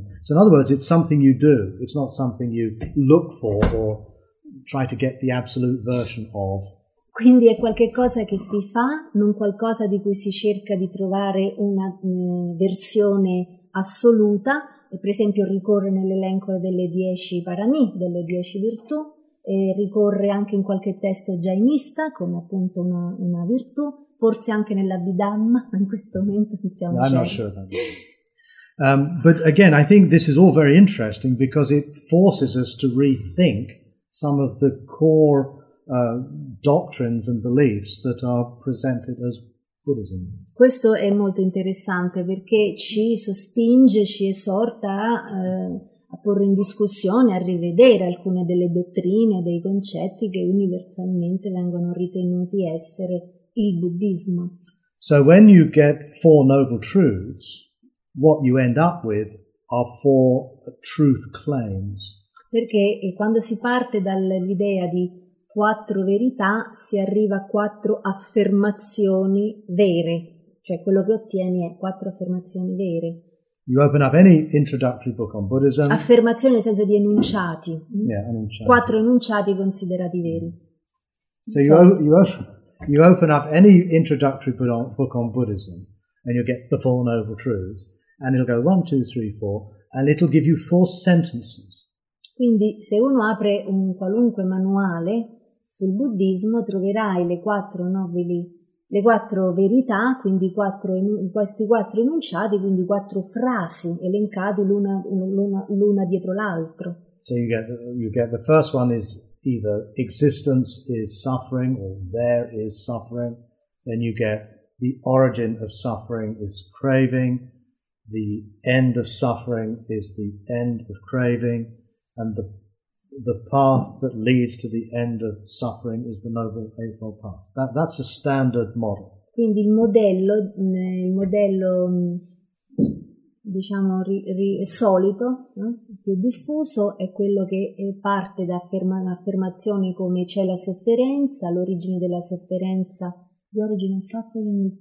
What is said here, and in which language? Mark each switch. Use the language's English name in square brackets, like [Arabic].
[English] So in other words, it's something you do. It's not something you look for or try to get the absolute version of. [Italian] Quindi è qualche cosa che si fa, non qualcosa di cui si cerca di trovare una versione assoluta. E per esempio ricorre nell'elenco delle 10 parami, delle 10 virtù. E ricorre anche in qualche testo jainista come appunto una virtù, forse anche nell'Abhidhamma, in questo momento iniziamo. [English] No, I'm not sure that. But again, I think this is all very interesting because it forces us to rethink some of the core doctrines and beliefs that are presented as Buddhism. [Italian] Questo è molto interessante perché ci sospinge, ci esorta a porre in discussione, a rivedere alcune delle dottrine, dei concetti che universalmente vengono ritenuti essere il buddismo. [English] So when you get four noble truths, what you end up with are four truth claims. [Italian] Perché quando si parte dall'idea di quattro verità, si arriva a quattro affermazioni vere. Cioè quello che ottieni è quattro affermazioni vere. [English] You open up any introductory book on Buddhism. [Italian] Affermazioni nel senso di enunciati. Yeah, enunciati. Quattro enunciati considerati veri. [English] So you open up any introductory book on Buddhism and you get the Four Noble Truths and it'll go 1, 2, 3, 4 and it'll give you four sentences. [Italian] Quindi se uno apre un qualunque manuale sul buddismo troverai le quattro verità, questi quattro enunciati, quindi quattro frasi elencate l'una dietro l'altro. [English] So you get the first one is either existence is suffering or there is suffering. Then you get the origin of suffering is craving, the end of suffering is the end of craving, and the path that leads to the end of suffering is the Noble Eightfold Path. That's a standard model. [Italian] Quindi il modello diciamo solito, no? Più diffuso è quello che parte da affermazioni come c'è la sofferenza, l'origine della sofferenza, [English] the origin of suffering